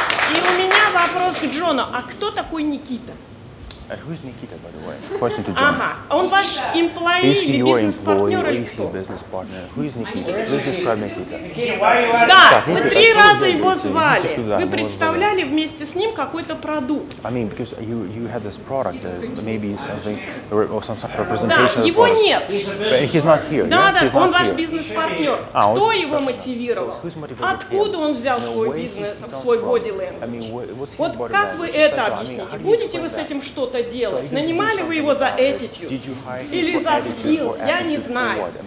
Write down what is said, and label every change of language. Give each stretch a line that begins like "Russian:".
Russian: И у меня вопрос к Джону. А кто такой Никита?
English: Who is Nikita, by the way? Question to John.
Russian: Он ваш employee или бизнес-партнер?
English: Is he your employee or partner? Who is Nikita? Please describe Nikita.
Russian: Да, мы три раза его звали. Вы представляли вместе с ним какой-то продукт.
English: I mean, because you had this product, maybe something or some sort of representation.
Russian: Да, его нет.
English: He's not here.
Russian: Да, да, он ваш бизнес-партнер. Кто его мотивировал? Откуда он взял свой бизнес, свой body language? Вот как вы это объясните? Будете вы с этим что? Что-то делать. Нанимали вы его за attitude или за skills, я не знаю.